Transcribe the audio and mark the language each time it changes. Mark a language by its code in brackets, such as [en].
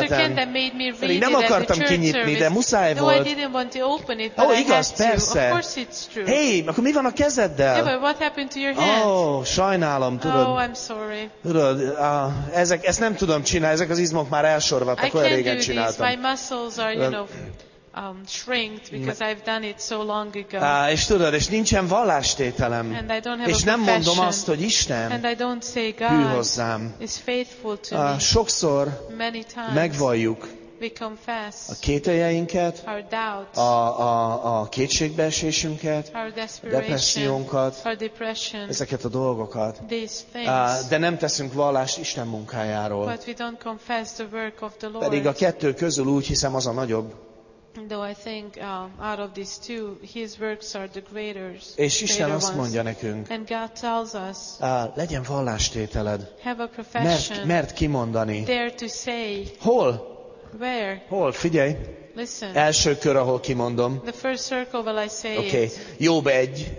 [en] Pastor Kende made me read it. [hu] Nem akartam kinyitni, de muszáj volt. [en] No, I didn't want to open it. [hu] Oh, igaz, persze. [en] Of course it's true. [hu] Hey, akkor mi van a kezeddel? [en] Yeah, but what happened to your hand? [hu] Oh, sajnálom, tudod. [en] Oh, I'm sorry. [hu] Tudod, ezt nem tudom csinálni, ezek az izmok már elsorvadtak, olyan régen csináltam. [en] My muscles are, you know, shrinked because I've done it so long ago. [hu] És tudod, és nincsen vallástételem. [en] And I don't have [hu] és nem mondom azt, hogy Isten hű hozzám. [en] Is faithful to [hu] sokszor [en] many times [hu] megvalljuk [en] we confess [hu] a kételjeinket, [en] our doubts, [hu] a kétségbeesésünket, [en] our desperation, [hu] a depressziónkat, [en] our depression, [hu] ezeket a dolgokat. [en] These things. [hu] De nem teszünk vallást Isten munkájáról. [en] But we don't confess the work of the Lord. [hu] Pedig a kettő közül úgy hiszem az a nagyobb. [en] Though I think out of these two, his works are the greater ones. [hu] És Isten azt mondja nekünk, [en] and God tells us, [hu] legyen vallástételed, [en] have a profession, [hu] mert kimondani. [en] Dare to say, [hu] hol? [en] Where? [hu] Hol? Figyelj! [en] Listen. [hu] Első kör, ahol kimondom. [en] The first circle, will I say [hu] okay. Jobb 1,